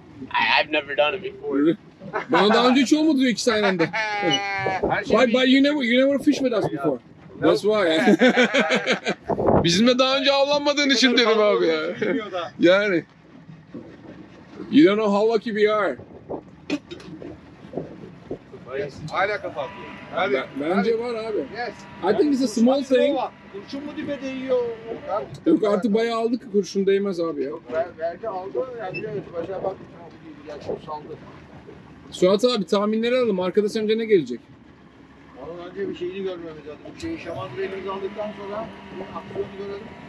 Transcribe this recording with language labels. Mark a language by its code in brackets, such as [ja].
[en] I've never done it before. [tr] Bana daha önce hiç olmadı diyor iki saniyende. [en] Why, but you never fish with us before. Nope. That's why. [tr] Bizimle daha önce avlanmadığın için dedim abi ya. Yani. [en] You don't know how lucky we are. [tr] Hala kapattı. Bence hadi. Var abi. [en] Yes. I think it's a small kurşun thing. [tr] Kurşun mu dibe değiyor? Yok artık bayağı aldık ki kurşun değmez abi ya. Verdi aldı ya biliyoruz. Başa bak. Yaşım saldı. Suat abi tahminleri alalım. Arkada sence ne gelecek? Valla önce bir şeyini görmemiz lazım. Bir şeyi şamandırayımızı aldıktan sonra bir aksiyonu görelim.